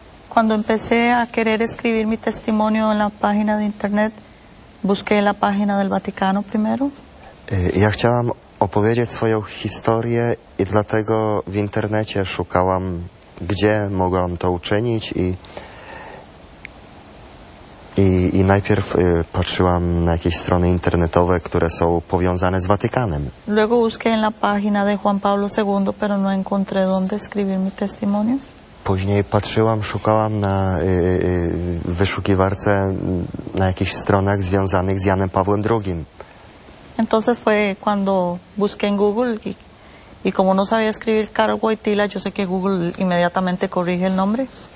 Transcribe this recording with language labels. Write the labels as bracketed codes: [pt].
[es] Cuando empecé a querer escribir mi testimonio en la página de internet, busqué la página del Vaticano primero. [pl] Ja chciałam opowiedzieć swoją historię i dlatego w internecie szukałam, gdzie mogłam to uczynić i najpierw patrzyłam na jakieś strony internetowe, które są powiązane z Watykanem. [es] Luego busqué en la página de Juan Pablo II, pero no encontré dónde escribir mi testimonio. [pl] Później patrzyłam, szukałam na wyszukiwarce na jakichś stronach związanych z Janem Pawłem II. [es] Entonces fue cuando busqué en Google y como no sabía escribir Karol Wojtyła, yo sé que Google inmediatamente corrige el nombre.